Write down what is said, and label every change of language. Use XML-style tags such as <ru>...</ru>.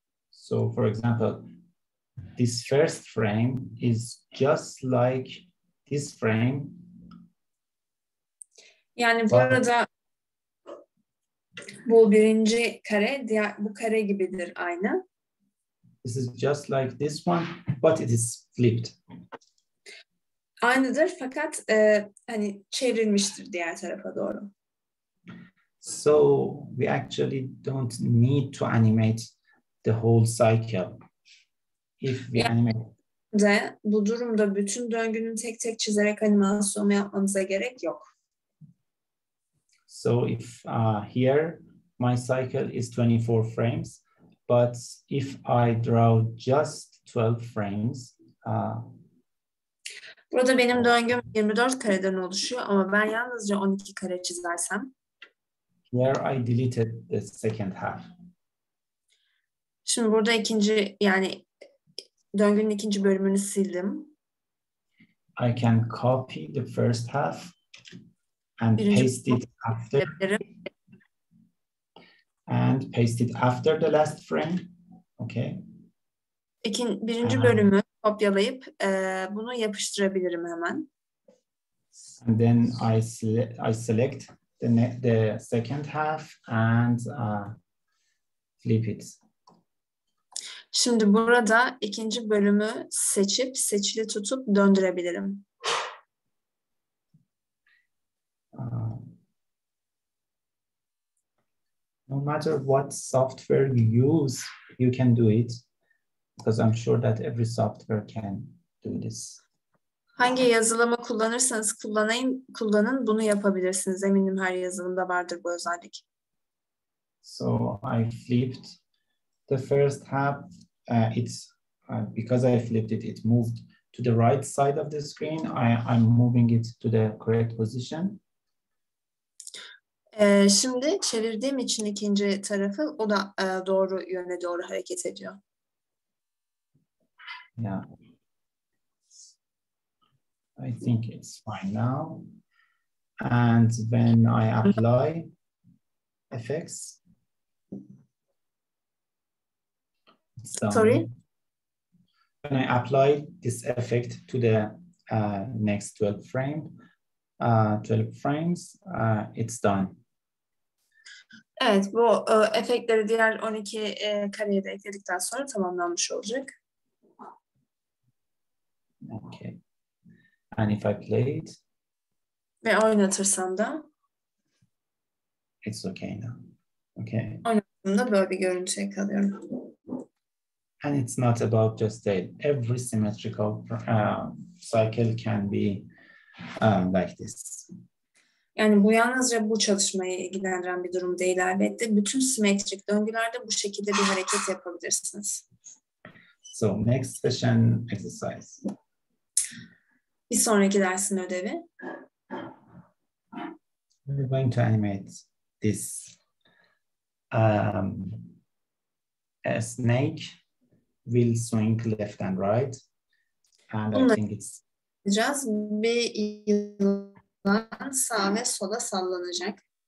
<en>So for example, this first frame is just like this frame.</en> <tr>Yani burada bu birinci kare, diğer bu kare gibidir aynı.</tr> <en>This is just like this one, but it is flipped.</en> <tr>Aynıdır fakat hani çevrilmiştir diğer tarafa doğru.</tr> <en>So we actually don't need to animate the whole cycle. If we animate.</en> <tr>De, bu durumda bütün döngünün tek tek çizerek animasyonu yapmamıza gerek yok.</tr> <en>So if here my cycle is 24 frames, but if I draw just 12 frames.</en> <tr>Burada benim döngüm 24 kareden oluşuyor ama ben yalnızca 12 kare çizersem.</tr> <en>Where I deleted the second half.</en> <tr>Şimdi burada ikinci yani döngünün ikinci bölümünü sildim.</tr> <en>I can copy the first half and paste it after. And paste it after the last frame. Okay.</en> <tr>Peki, birinci bölümü kopyalayıp bunu yapıştırabilirim hemen.</tr> <en>And then I select the second half and flip it.</en> <tr>Şimdi burada ikinci bölümü seçip seçili tutup döndürebilirim.</tr> <en>No matter what software you use, you can do it. Because I'm sure that every software can do this.</en> <tr>Hangi yazılımı kullanırsanız kullanın, bunu yapabilirsiniz. Eminim her yazılımda vardır bu özellik.</tr> <en>So I flipped the first half. Because I flipped it, it moved to the right side of the screen. I'm moving it to the correct position.</en> <tr>Şimdi çevirdiğim için ikinci tarafı, o da doğru yöne doğru hareket ediyor.</tr> <en>Yeah. I think it's fine now. And when I apply effects. Sorry? When I apply this effect to the next 12 frame, 12 frames, it's done.</en> <tr>Evet, bu efektleri diğer 12 kareye de ekledikten sonra tamamlanmış olacak.</tr> <en>Okay. And if I play it,</en> <tr>ve oynatırsam da,</tr> <en>it's okay now. Okay.</en> <tr>Oynatımda böyle bir görüntüye kalıyorum.</tr> <en>And it's not about just that. Every symmetrical cycle can be like this.</en> <tr>Yani bu yalnızca bu çalışmayı ilgilendiren bir durum değil elbette. Bütün simetrik döngülerde bu şekilde bir hareket yapabilirsiniz.</tr> <en>So next session exercise.</en> <tr>Bir sonraki dersin ödevi.</tr> <en>We're going to animate this a snake will swing left and right. And I think it's just be</en> <tr>yılan sağ ve sola sallanacak.</tr>